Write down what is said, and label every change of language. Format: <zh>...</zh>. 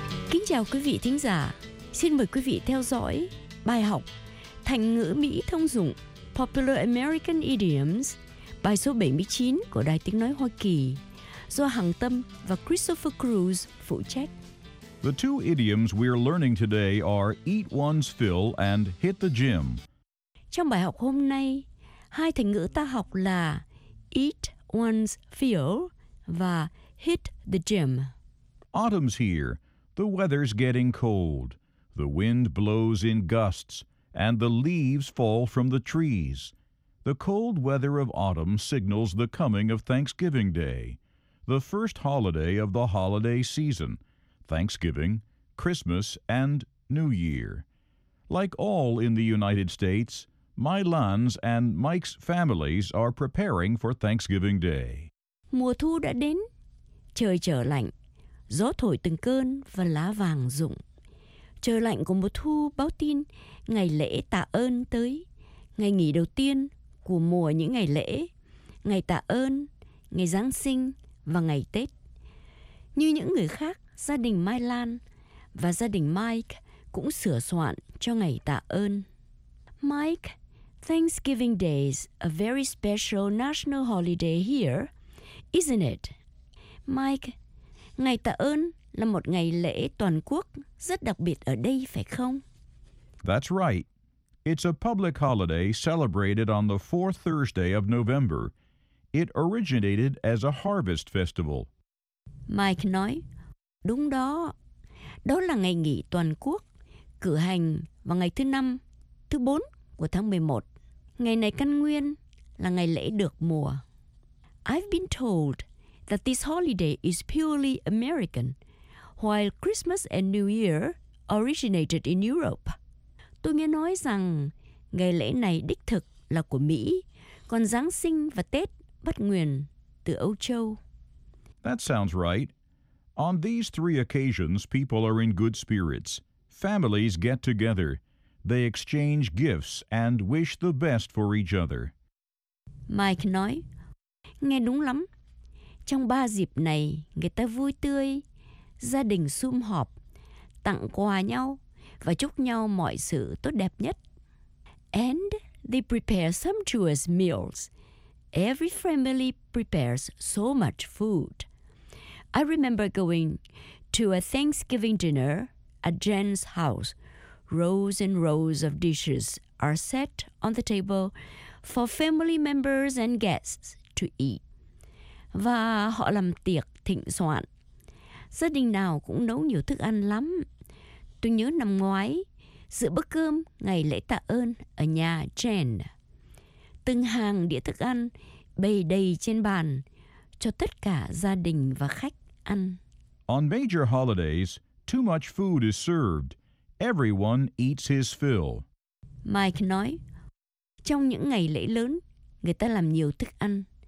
<vi>Kính chào quý vị thính giả. Xin mời quý vị theo dõi bài học thành ngữ Mỹ thông dụng Popular American Idioms, bài số 79 của Đài Tiếng Nói Hoa Kỳ, do Hằng Tâm và Christopher Cruz phụ trách.</vi> <en>The two idioms we are learning today are eat one's fill and hit the gym.</en> <vi>Trong bài học hôm nay, Hai thành ngữ ta học là eat one's fill và hit the gym.</vi> <en>Autumn's here. The weather's getting cold. The wind blows in gusts and the leaves fall from the trees. The cold weather of autumn signals the coming of Thanksgiving Day, the first holiday of the holiday season, Thanksgiving, Christmas, and New Year. Like all in the United States, Mai Lan's and Mike's families are preparing for Thanksgiving Day.</en> <vi>Mùa thu đã đến, trời trở lạnh, gió thổi từng cơn và lá vàng rụng. Trời lạnh của mùa thu báo tin ngày lễ tạ ơn tới, ngày nghỉ đầu tiên của mùa những ngày lễ, ngày tạ ơn, ngày Giáng sinh và ngày Tết. Như những người khác, gia đình Mai Lan và gia đình Mike cũng sửa soạn cho ngày tạ ơn.</vi> <en>Mike, Thanksgiving Day is a very special national holiday here, isn't it?</en> <vi>Mike, ngày tạ ơn là một ngày lễ toàn quốc rất đặc biệt ở đây, phải không?</vi> <en>That's right. It's a public holiday celebrated on the fourth Thursday of November. It originated as a harvest festival.</en> <vi>Mike nói, đúng đó. Đó là ngày nghỉ toàn quốc, cử hành vào ngày thứ năm, thứ bốn của tháng 11. Ngày này căn nguyên là ngày lễ được mùa.</vi> <en>I've been told that this holiday is purely American, while Christmas and New Year originated in Europe.</en> <vi>Tôi nghe nói rằng ngày lễ này đích thực là của Mỹ, còn Giáng sinh và Tết bắt nguồn từ Âu Châu.</vi> <en>That sounds right. On these three occasions, people are in good spirits. Families get together. They exchange gifts and wish the best for each other.</en> <vi>Mike nói, nghe đúng lắm. Trong ba dịp này, người ta vui tươi, gia đình sum họp, tặng quà nhau và chúc nhau mọi sự tốt đẹp nhất.</vi> <en>And they prepare sumptuous meals. Every family prepares so much food. I remember going to a Thanksgiving dinner at Jen's house. Rows and rows of dishes are set on the table for family members and guests to eat.</en> <vi>Và họ làm tiệc thịnh soạn. Gia đình nào cũng nấu nhiều thức ăn lắm. Tôi nhớ năm ngoái, giữa bữa cơm ngày lễ tạ ơn ở nhà Jen. Từng hàng đĩa thức ăn bày đầy trên bàn cho tất cả gia đình và khách ăn.</vi> <en>On major holidays, too much food is served. Everyone eats his fill.</en> <vi>Mike nói, trong những ngày lễ lớn, người ta làm nhiều thức ăn.</vi>